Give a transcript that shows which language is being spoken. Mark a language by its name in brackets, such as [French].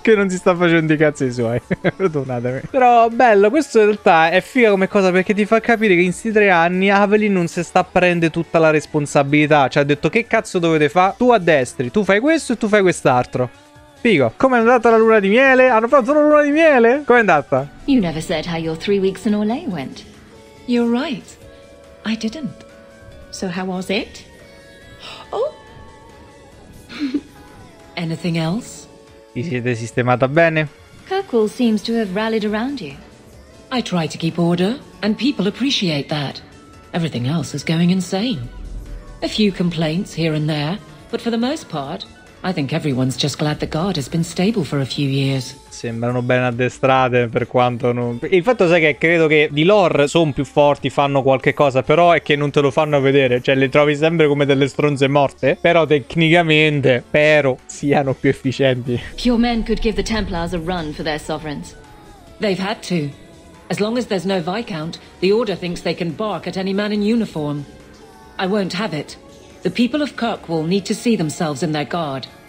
[Italian] Che non si sta facendo i cazzi suoi. Perdonatemi. Però bello, questo in realtà è figa come cosa, perché ti fa capire che in sti 3 anni Avelyn non si sta prendendo tutta la responsabilità. Cioè ha detto che cazzo dovete fare? Tu addestri, tu fai questo e tu fai quest'altro. Figo. Com'è andata la luna di miele? Hanno fatto la luna di miele? Com'è andata? [English] You never said how your 3 weeks in Orlais went. You're right. I didn't. So how was it? Oh! Anything else? [Italian] Ti siete sistemata bene? [English] Kirkwall seems to have rallied around you. I try to keep order, and people appreciate that. Everything else is going insane. A few complaints here and there, but for the most part, I think everyone's just glad the guard has been stable for a few years. [Italian] Sembrano ben addestrate per quanto non... Il fatto sai che credo che di lore sono più forti, fanno qualche cosa, però è che non te lo fanno vedere. Cioè le trovi sempre come delle stronze morte. Però tecnicamente, spero, siano più efficienti. [English] Your men could give the Templars a run for their sovereigns. They've had to. As long as there's no Viscount, the Order thinks they can bark at any man in uniform. I won't have it. The people of Kirkwall need to see themselves in their guard.